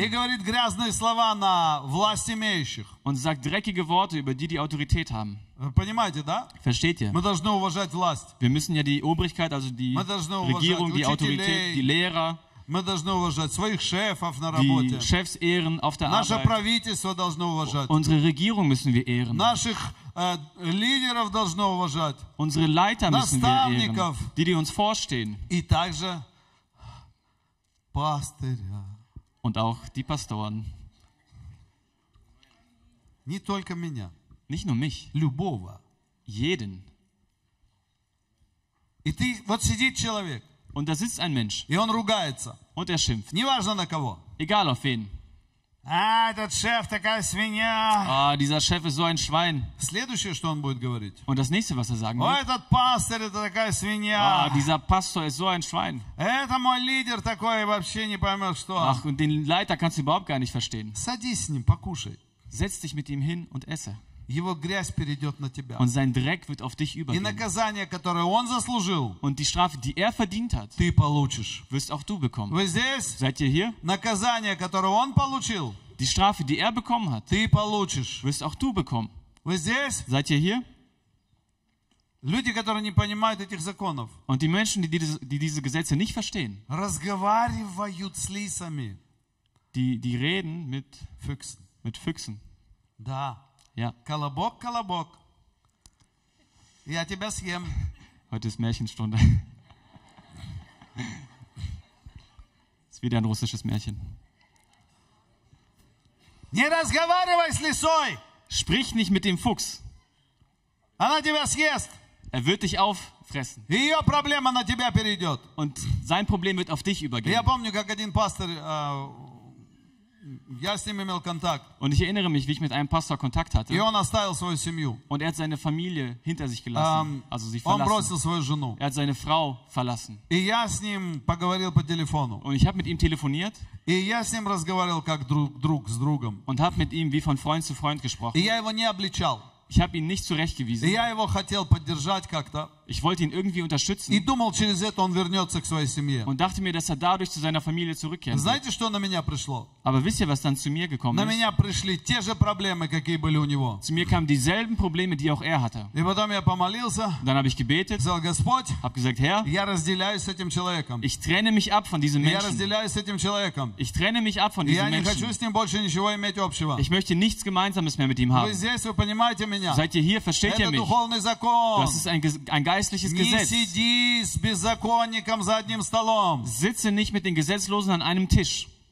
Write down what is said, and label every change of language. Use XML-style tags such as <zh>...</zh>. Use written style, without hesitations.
<ru>И говорит грязные слова на власть имеющих.</ru> <de>Und sagt dreckige Worte über die, die Autorität haben.</de> <ru>Понимаете, да?</ru> <de>Versteht ihr?</de> <ru>Мы должны уважать власть.</ru> <de>Wir müssen ja die Obrigkeit, also die Regierung, die Autorität, die Lehrer.</de> <ru>Мы должны уважать своих шефов на</ru> <de>die</de> <ru>работе.</ru> <de>Chefs ehren auf der</de> <ru>Наше</ru> <de>Arbeit.</de> <ru>Правительство должно уважать.</ru> <de>Unsere Regierung müssen wir ehren.</de> <ru>Наших лидеров должно уважать.</ru> <de>Unsere Leiter müssen wir ehren. Die, die uns vorstehen.</de> <ru>И также пастыря.</ru> <de>Und auch die Pastoren.</de> <ru>Не только меня.</ru> <de>Nicht nur mich.</de> <ru>Любого.</ru> <de>Jeden.</de> <ru>И ты, вот сидит человек.</ru> <de>Und da sitzt ein Mensch.</de> <ru>И он ругается.</ru> <de>Und er schimpft.</de> <ru>Неважно на кого.</ru> <de>Egal auf wen.</de> <ru>А, этот шеф такая свинья.</ru> <de>А, dieser Chef ist so ein Schwein.</de> <ru>Следующее, что он будет говорить.</ru> <de>Und das nächste, was er sagen wird.</de> <ru>Этот пастор, это такая свинья.</ru> <de>А, dieser Pastor ist so ein Schwein.</de> <ru>Это мой лидер такой, вообще не поймет, что.</ru> <de>Ach, und den Leiter kannst du überhaupt gar nicht verstehen.</de> <ru>Садись с ним, покушай.</ru> <de>Setz dich mit ihm hin und esse.</de> <ru>Его грязь перейдет на тебя.</ru> <de>Und sein Dreck wird auf dich übergehen.</de> <ru>И наказание, которое он заслужил.</ru> <de>Und die Strafe, die er verdient hat.</de> <ru>Ты получишь.</ru> <de>Wirst auch du bekommen.</de> <ru>Вы здесь?</ru> <de>Seid ihr hier?</de> <ru>Наказание, которое он получил.</ru> <de>Die Strafe, die er bekommen hat.</de> <ru>Ты получишь.</ru> <de>Wirst auch du bekommen.</de> <ru>Вы здесь?</ru> <de>Seid ihr hier?</de> <ru>Люди, которые не понимают этих законов.</ru> <de>Und die Menschen, die diese Gesetze nicht verstehen.</de> <ru>Разговаривают с лисами.</ru> <de>Die reden mit Füchsen. Mit Füchsen.</de> <ru>Да.</ru> <de>Ja.</de> <ru>Колобок, колобок. Я тебя съем.</ru> <de>Heute ist Märchenstunde. Es ist wieder ein russisches Märchen.</de> <ru>Не разговаривай с лисой.</ru> <de>Sprich nicht mit dem Fuchs.</de> <ru>Она тебя съест.</ru> <de>Er wird dich auffressen.</de> <ru>Ее проблема на тебя перейдет.</ru> <de>Und sein Problem wird auf dich übergehen.</de> <ru>Я помню, как один пастор... Я с ним имел контакт.</ru> <de>Und ich erinnere mich, wie ich mit einem Pastor Kontakt hatte.</de> <ru>И он оставил свою семью.</ru> <de>Und er hat seine Familie hinter sich gelassen, also sie verlassen.</de> <ru>Он бросил свою жену.</ru> <de>Er hat seine Frau verlassen.</de> <ru>И я с ним поговорил по телефону.</ru> <de>Und ich habe mit ihm telefoniert.</de> <ru>И я с ним разговаривал как друг с другом.</ru> <de>Und habe mit ihm wie von Freund zu Freund gesprochen.</de> <ru>И я его не обличал.</ru> <de>Ich habe ihn nicht zurechtgewiesen.</de> <ru>И я его хотел поддержать как-то.</ru> <de>Ich wollte ihn irgendwie unterstützen.</de> <ru>И думал, через это он вернется к своей семье.</ru> <de>Und dachte mir, dass er dadurch zu seiner Familie zurückkehren wird.</de> <ru>Знаете, что на меня пришло?</ru> <de>Aber wisst ihr, was dann zu mir gekommen</de> <ru>на</ru> <de>ist?</de> <ru>На меня пришли те же проблемы, какие были у него.</ru> <de>Zu mir kamen dieselben Probleme, die auch er hatte.</de> <ru>И потом я помолился.</ru> <de>Dann habe ich gebetet.</de> <ru>Сказал, Господь,</ru> <de>hab gesagt, Herr,</de> <ru>я разделяюсь с этим человеком.</ru> <de>Ich trenne mich ab von diesem Menschen.</de> <ru>Я разделяюсь с этим человеком.</ru> <de>Ich trenne mich ab von diesem Menschen.</de> <ru>Я не хочу с ним больше ничего иметь общего.</ru> <de>Ich möchte nichts Gemeinsames mehr mit ihm haben.</de> <ru>Вы здесь, вы понимаете меня?</ru> <de>Seid ihr hier, versteht</de> <ru>это</ru> <de>ihr mich?</de> <ru>Это духовный закон.</ru> <de>Das ist ein geistliches Gesetz.</de> <ru>Не сиди с беззаконником за одним столом.</ru> <de>Sitze nicht mit den Gesetzlosen an einem Tisch.</de>